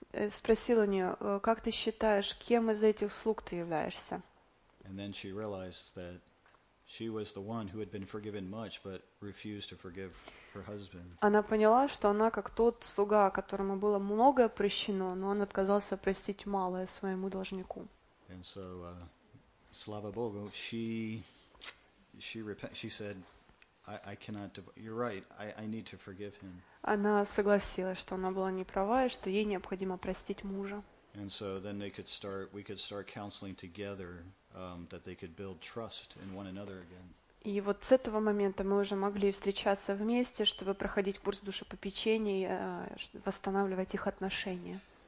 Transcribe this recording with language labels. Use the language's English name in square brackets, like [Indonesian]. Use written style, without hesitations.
[Russian] Спросил у нее, как ты считаешь, кем из этих слуг ты являешься? [English] And then she realized that she was the one who had been forgiven much, but refused to forgive her husband. [Russian] Она поняла, что она как тот слуга, которому было многое прощено, но он отказался простить малое своему должнику. [English] And so, [Russian] слава Богу, [English] she said, I cannot. You're right. I need to forgive him. [Russian] Она согласилась, что она была не права и что ей необходимо простить мужа. [English] And so then they could start. We could start counseling together. That they could build trust in one another again. [Russian] И вот с этого момента мы уже могли встречаться вместе, чтобы проходить курс душепопечения, восстанавливать их отношения.